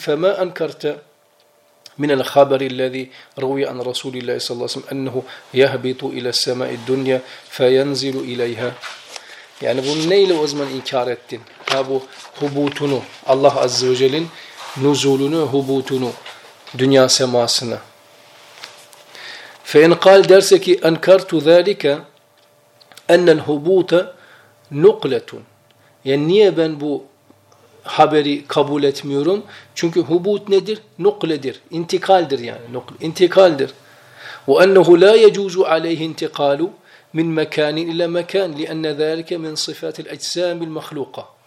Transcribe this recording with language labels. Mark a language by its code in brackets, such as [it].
[ar] فَمَا أَنْكَرْتَ مِنَ الْخَابَرِ الَّذِي رُوِيَ عَنْ رَسُولِ اللّٰهِ صَلَّى اللّٰهِ سَلَّمْ اَنَّهُ يَهْبِطُ اِلَى السَّمَاءِ الدُّنْيَا فَيَنْزِلُ اِلَيْهَا. [tr] Yani bunu neyle o zaman inkar ettin? Ha, bu hubutunu, Allah Azze ve Celle'nin nuzulunu, hubutunu, dünya semasını. [ar] فَاِنْ قَالْ, [tr] derse ki [ar] اَنْكَرْتُ ذَٰلِكَ, اَنَّ الْهُبُوتَ نُقْلَةٌ. [tr] Yani niye ben bu haberi kabul etmiyorum? Çünkü hubut nedir? Nukledir. İntikaldir yani. İntikaldir. [ar] وَاَنَّهُ لَا يَجُوزُ عَلَيْهِ اِنْتِقَالُ مِنْ مَكَانٍ اِلَى مَكَانٍ لِأَنَّ ذَٰلِكَ مِنْ صِفَاتِ الْاَجْسَامِ الْمَخْلُوقَةِ.